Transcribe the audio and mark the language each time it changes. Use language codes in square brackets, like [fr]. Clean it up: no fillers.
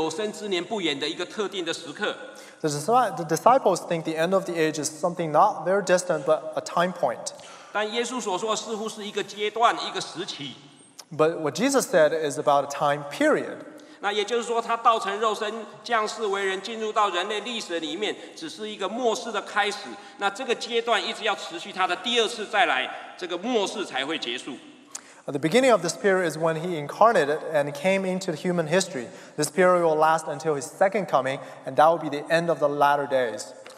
[en] The disciples think the end of the age is something not very distant, but a time point. But what Jesus said is about a time period. [zh] 那也就是说他道成肉身降世为人进入到人类历史里面只是一个末世的开始那这个阶段一直要持续他的第二次再来这个末世才会结束。 [en] The beginning of this period is when he incarnated and came into human history. This period will last until his second coming, and that will be the end of the latter days.